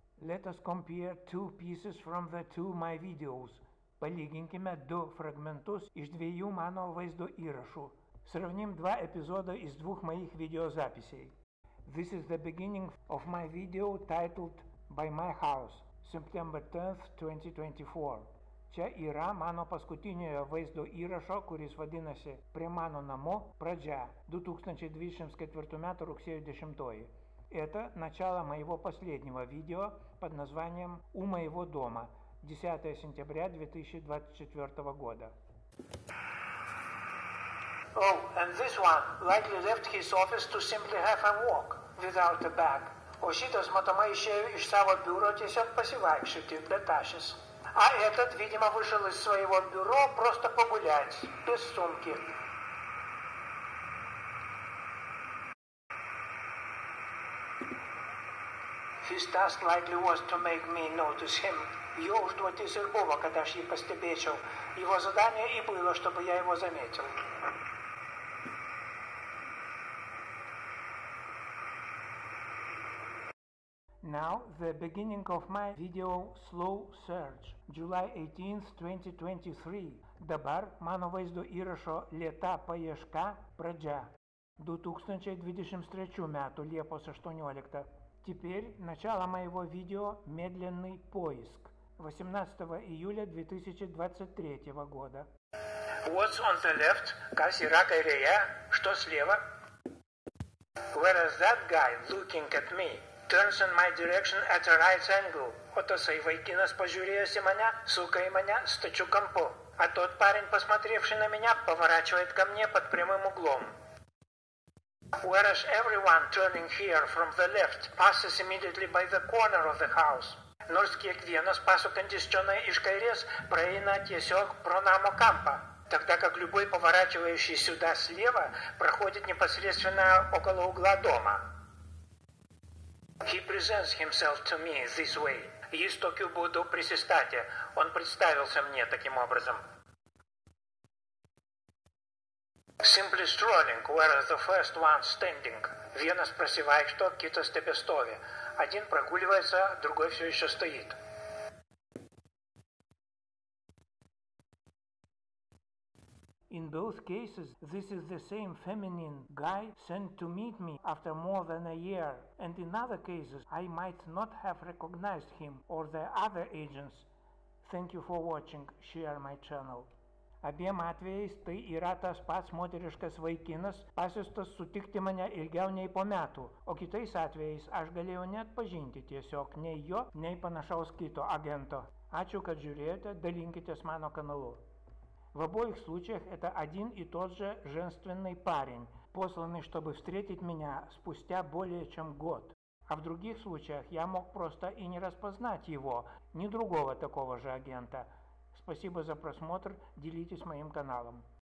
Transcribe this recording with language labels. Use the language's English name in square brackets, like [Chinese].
[English] Let us compare two pieces from the two my videos. [Lithuanian] Palyginkime du fragmentus iš dviejų mano vaizdo įrašų. Sravnim dva epizodą iš dvūk maich video zapisiai. [English] This is the beginning of my video titled By My House, September 10th, 2024. [Lithuanian] Čia yra mano paskutiniojo vaizdo įrašo, kuris vadinasi Prie mano namo pradžia 2024 m. rugsėjo 10. [Russian] Это начало моего последнего видео под названием «У моего дома» 10 сентября 2024 года. [English] Oh, and this one likely left his office to simply have a walk without a bag. [Lithuanian] O šitas matomai išėjo iš savo biuro tiesiog pasivaikščioti be tašės. [Russian] А этот, видимо, вышел из своего бюро просто погулять, без сумки. [English] His task likely was to make me notice him. [Lithuanian] Jo užduotis ir buvo, kad aš jį pastebėčiau. Jo zadanie į buvo, štabu ją jo zamėčiau. [English] Now, the beginning of my video slow search, July 18th, 2023. [Lithuanian] Dabar mano vaizdo įrašo lėta paieška pradžia. 2023 metų, Liepos 18. [Russian] Теперь начало моего видео «Медленный поиск» 18 июля 2023 года. [English] What's on the left? [Lithuanian] Kas yra kairėje? [Russian] Что слева? [English] Where is that guy looking at me? Turns in my direction at a right angle. [Lithuanian] O tasai vaikinas pažiūrėjęs į mane, suka į mane stačiu kampu. [Russian] А тот парень, посмотревший на меня, поворачивает ко мне под прямым углом. [English] Where is everyone turning here from the left, passes immediately by the corner of the house? [Lithuanian] Nors kiekvienas pasukantis čionai iš kairės praeina tiesiog pro namo kampą, [Russian] тогда как любой поворачивающий сюда слева проходит непосредственно около угла дома. [English] He presents himself to me this way. [Lithuanian] Jis tokiu būdu prisistatė. [Russian] Он представился мне таким образом. [English] Simply strolling, where the first one standing. [Lithuanian] Vienas prasivaikšto, kitas tebestovi. [Russian] Один прогуливается, другой все еще стоит. [English] In both cases, this is the same feminine guy sent to meet me after more than a year. And in other cases, I might not have recognized him or the other agents. Thank you for watching. Share my channel. [Lithuanian] Abiem atvejais tai yra tas pats moteriškas vaikinas, pasiustas sutikti mane ilgiau nei po metų, o kitais atvejais aš galėjau net pažinti tiesiog nei jo, nei panašaus kito agento. Ačiū, kad žiūrėjote, dalinkitės mano kanalu. [Russian] В обоих случаях это один и тот же женственный парень, посланный, чтобы встретить меня спустя более чем год. А в других случаях я мог просто и не распознать его, ни другого такого же агента. Спасибо за просмотр, делитесь моим каналом.